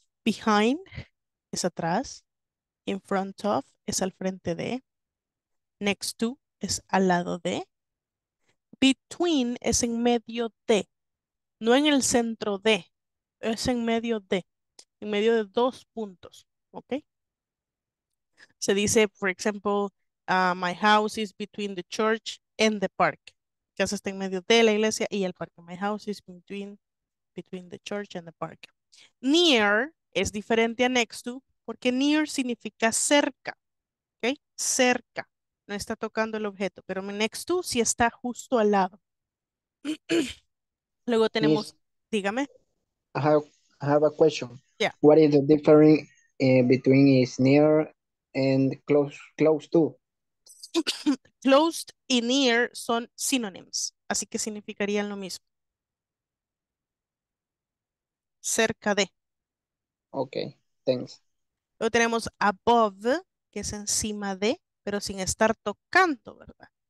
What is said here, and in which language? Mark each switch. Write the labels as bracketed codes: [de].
[es] Behind es atrás. In front of es al frente de. Next to es al lado de. Between es en medio de. No en el centro de, es en medio de dos puntos, ¿ok? Se dice, [en] for example, my house is between the church and the park. [es] Casa está en medio de la iglesia y el parque. [en] My house is between the church and the park. [es] Near es diferente a next to, porque near significa cerca, ¿ok? Cerca, no está tocando el objeto, pero next to sí está justo al lado. Luego tenemos, dígame. [en] I have a question. Yeah. What is the difference between is near and close to? [es] Close y near son synonyms, así que significarían lo mismo. Cerca de. [en] Okay, thanks. [es] Luego tenemos above, que es encima de, pero sin estar tocando, ¿verdad?